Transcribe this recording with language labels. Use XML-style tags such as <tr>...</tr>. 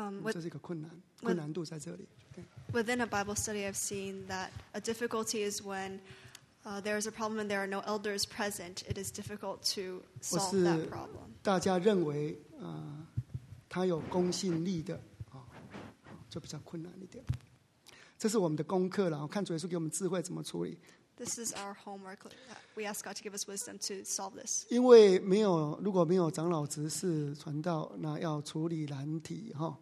<zh>这是一个困难，困难度在这里。</zh> <en>Within a Bible study, I've seen that a difficulty is when there is a problem and there are no elders present. It is difficult to solve that problem.</en> <zh>大家认为他有公信力的就比较困难一点。这是我们的功课了，看主耶稣给我们智慧怎么处理。</zh> <en>This is our homework. We ask God to give us wisdom to solve this.</en> <zh>因为没有，如果没有长老执事传道，那要处理难题</zh>